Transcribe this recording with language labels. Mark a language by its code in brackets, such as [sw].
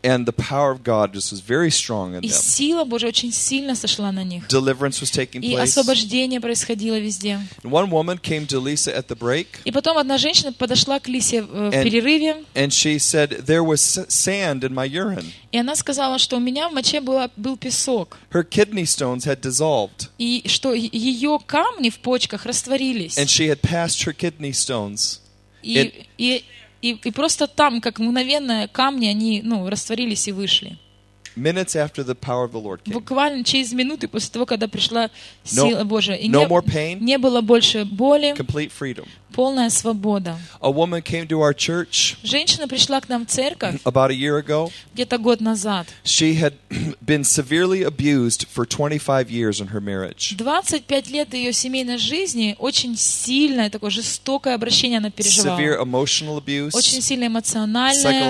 [en] And the power of God just was very strong in them. [ru] И сила Божья очень сильно сошла на них. [en] Deliverance was taking place. [ru] И освобождение происходило везде. [en] And one woman came to Lisa at the break. [ru] И потом одна женщина подошла к Лисе в перерыве. [en] And she said there was sand in my urine. [ru] И она сказала, что у меня в моче был песок. [en] Her kidney stones had dissolved. [ru] И что ее камни в почках растворились. [en] And she had passed her kidney stones. [ru] И просто там, как мгновенно, камни они растворились и вышли. [en] Minutes after the power of the Lord came. [ru] Буквально через минуты после того, когда пришла сила Божья, [en] и no more pain. [ru] Не было больше боли. [en] Complete freedom. [ru] Полная свобода. [en] A woman came to our church. [ru] Женщина пришла к нам в церковь. [en] About a year ago. [ru] Где-то год назад. [en] She had been severely abused for 25 years in her marriage. [ru] 25 лет ее семейной жизни очень сильное такое жестокое обращение она переживала. [en] Severe emotional abuse. [ru] Очень сильное эмоциональное.